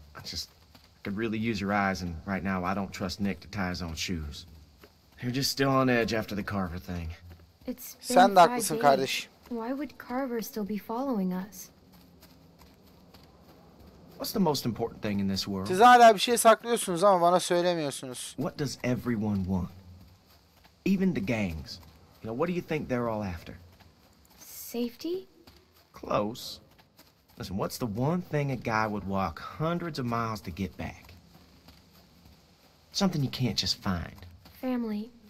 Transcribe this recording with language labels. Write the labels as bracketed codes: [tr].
[en] I could really use your eyes, and right now I don't trust Nick to tie his own shoes. You're just still on edge after the Carver thing. It's been 5 days. Why would Carver still be following us? What's the most important thing in this world? [tr] Siz hala bir şey saklıyorsunuz ama bana söylemiyorsunuz. [en] What does everyone want? Even the gangs. You know, what do you think they're all after? Safety? Close. Listen, what's the one thing a guy would walk hundreds of miles to get back? Something you can't just find. Family.